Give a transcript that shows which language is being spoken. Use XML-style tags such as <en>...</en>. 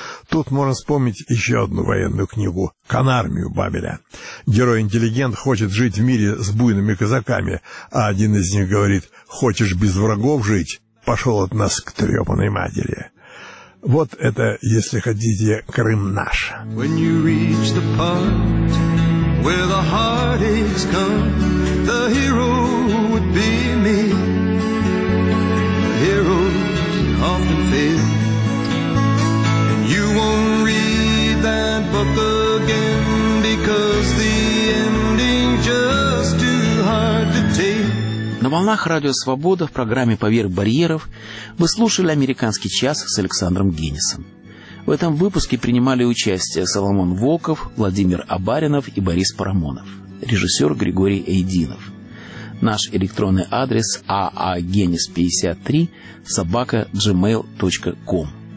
<ru>Тут можно вспомнить еще одну военную книгу «Конармию» Бабеля. Герой-интеллигент хочет жить в мире с буйными казаками, а один из них говорит: «Хочешь без врагов жить? Пошел от нас к трепанной матери». Вот это, если хотите, Крым наш.</ru> <en>When you reach the part where the heartaches come, the hero would be me. Heroes often fail. And you won't read that book again, because the ending just too hard to take.</en> <ru>На волнах Радио Свобода в программе «Поверх барьеров» вы слушали «Американский час» с Александром Генисом. В этом выпуске принимали участие Соломон Волков, Владимир Абаринов и Борис Парамонов, режиссер Григорий Эйдинов. Наш электронный адрес aagenis53@gmail.com.</ru>